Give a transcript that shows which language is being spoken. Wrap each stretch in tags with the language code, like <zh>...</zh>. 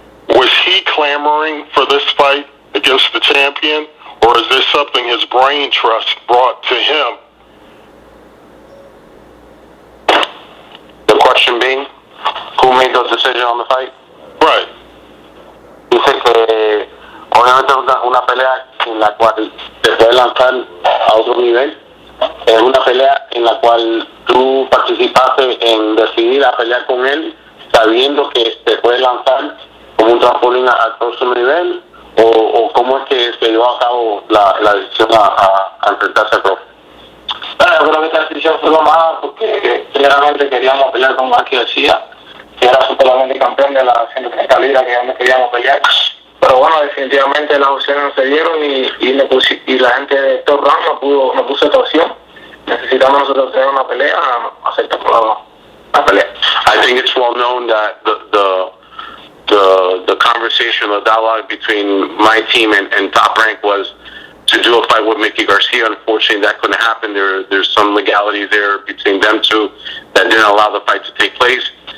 <en>Was he clamoring for this fight against the champion, or is this something his brain trust brought to him? The question being, who made those decisions on the fight? Right.</en> <es>Dice que obviamente una pelea en la cual te puede lanzar a otro nivel. Es una pelea en la cual tú participaste en decidir a pelear con él, sabiendo que te puede lanzar como un trampolín a próximo nivel, o cómo es que se llevó a cabo la decisión a enfrentarse al profe. Bueno, yo creo que esta decisión fue tomada porque claramente queríamos pelear con Marky García, que era solamente campeón de la 130 libras que antes queríamos pelear. Pero bueno, definitivamente las opciones no se dieron y la gente de Top Round no puso esta opción. Necesitamos nosotros tener una pelea, aceptamos la pelea.</es> <en>I think it's well known that the conversation, the dialogue between my team and Top Rank was to do a fight with Mickey Garcia. Unfortunately, that couldn't happen. There's some legality there between them two that didn't allow the fight to take place.</en>